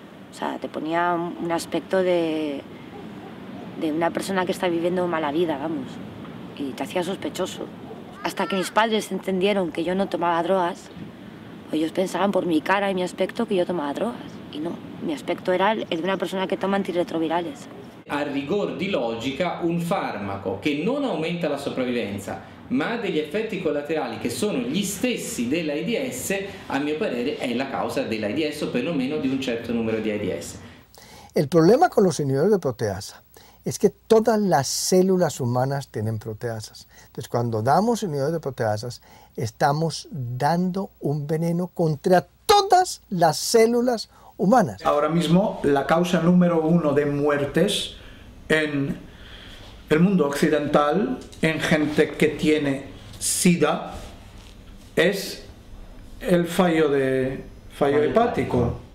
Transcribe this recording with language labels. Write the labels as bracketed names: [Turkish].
[Spanish] O sea, te ponía un aspecto de una persona que está viviendo mala vida, vamos. Y te hacía sospechoso. Hasta que mis padres entendieron que yo no tomaba drogas, ellos pensaban por mi cara y mi aspecto que yo tomaba drogas. Y no, mi aspecto era el de una persona que toma antirretrovirales. [Italian] A rigor de lógica, un fármaco que no aumenta la supervivencia, ma degli effetti collaterali che sono gli stessi dell'AIDS, a mio parere è la causa dell'AIDS o perlomeno di un certo numero di AIDS. [Spanish] Il problema con los inhibidores de proteasa es que todas las células humanas tienen proteasas. Entonces, cuando damos inhibidores de proteasas, estamos dando un veneno contra todas las células humanas. Ahora mismo, la causa número uno de muertes en el mundo occidental, en gente que tiene SIDA, es el fallo hepático.